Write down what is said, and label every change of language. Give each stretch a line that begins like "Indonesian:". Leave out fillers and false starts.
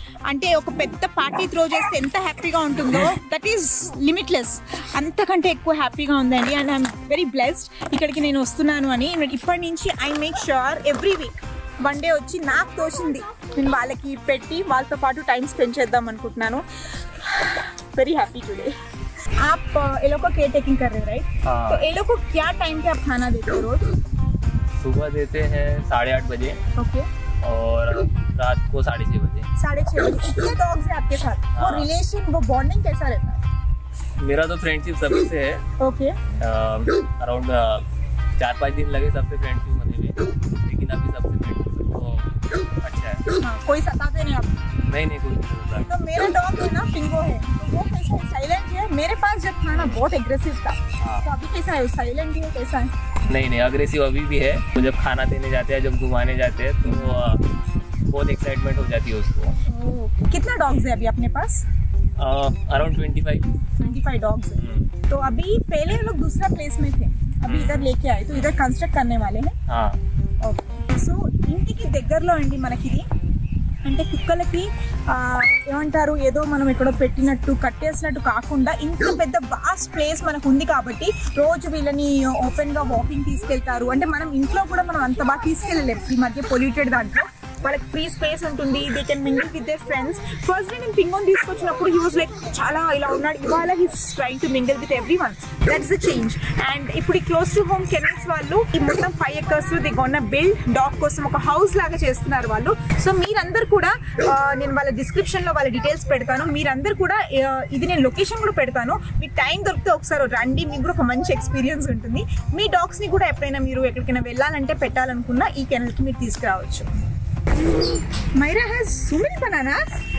Telugu: అంటే ఒక పెద్ద పార్టీ త్రో చేస్తే ఎంత హ్యాపీగా ఉంటుందో
English: That is limitless.
Telugu: అంతకంటే ఎక్కువ హ్యాపీగా ఉందండి. అండ్
English: I'm very blessed
Telugu: ఇక్కడికి నేను వస్తున్నాను అని. ఇప్పటి నుంచి
English: I make sure every week one day
Telugu: వచ్చి నాకు తోచింది నేను వాళ్ళకి పెట్టి వాళ్ళతో పాటు టైం స్పెండ్ చేద్దాం అనుకుంటున్నాను.
English: Very happy today.
Hindi: आप ये लोग को केयर टेकिंग कर रहे हो राइट? हाँ. तो ये लोग को क्या टाइम पे आप खाना देते हो रोज? सुबह देते हैं 8:30 बजे. ओके. और रात को 6:30 बजे. 6:30 बजे. कितने डॉग्स हैं आपके साथ? हाँ. वो रिलेशन वो बॉन्डिंग कैसा रहता है? मेरा तो फ्रेंडशिप सबसे है. ओके. अराउंड 4-5 दिन लगे सबसे फ्रेंडशिप बनने में, लेकिन अभी सबसे फ्रेंडशिप तो अच्छा है. हाँ, कोई सताते नहीं आप? नहीं नहीं तो मेरा डॉग है ना पिंगो है, तो वो कैसा है? साइलेंट है. मेरे पास जब था ना बहुत एग्रेसिव था. हाँ. तो अभी कैसा है? साइलेंट है कैसा है? नहीं नहीं अग्रेसिव अभी भी है. वो जब खाना देने जाते हैं, जब घुमाने जाते हैं, तो बहुत एक्साइटमेंट हो जाती है उसको. कितना डॉग्स है अभी अपने पास? अराउंड 25 डॉग्स है. तो अभी पहले लोग दूसरा प्लेस में थे, अभी इधर लेके आए, तो इधर कंस्ट्रक्ट करने वाले है.
Telugu: सो इंटी दगरलो अंडी मन की అంటే కుక్కలకి ఏమంటారు ఏదో మనం ఎక్కడో పెట్టినట్టు కట్టేసినట్టు కాకుండా ఇంత పెద్ద వాస్ట్ ప్లేస్ మనకు ఉంది కాబట్టి రోజు వీళ్ళని ఓపెన్గా వాకింగ్ తీసుకెళ్తారు. అంటే మనం ఇంట్లో కూడా మనం అంత బాగా తీసుకెళ్ళలేము ఈ మధ్య పొల్యూటెడ్ దాంట్లో. వాళ్ళకి ఫ్రీ స్పేస్ ఉంటుంది,
English: They can mingle with their friends.
Telugu: First day నేను పింగోన్ తీసుకొచ్చినప్పుడు
English: he was like
Telugu: చాలా ఇలా ఉన్నాడు, ఇవాళ
English: He's trying to mingle with everyone. That's the change.
Telugu: And ఇప్పుడు ఈ క్లోజ్ టు హోమ్ కెనల్స్ వాళ్ళు ఈ మొత్తం 5 ఎకర్స్
English: they gonna build
Telugu: డాగ్ కోసం ఒక హౌస్ లాగా చేస్తున్నారు వాళ్ళు. సో మీరందరు కూడా, నేను వాళ్ళ డిస్క్రిప్షన్లో వాళ్ళ డీటెయిల్స్ పెడతాను, మీరందరు కూడా ఇది నేను లొకేషన్ కూడా పెడతాను, మీకు టైం దొరికితే ఒకసారి రండి, మీకు కూడా ఒక మంచి ఎక్స్పీరియన్స్ ఉంటుంది. మీ డాగ్స్ని కూడా ఎప్పుడైనా మీరు ఎక్కడికైనా వెళ్ళాలంటే పెట్టాలనుకున్నా ఈ కెనల్కి మీరు తీసుకురావచ్చు.
English: Myra has so many bananas.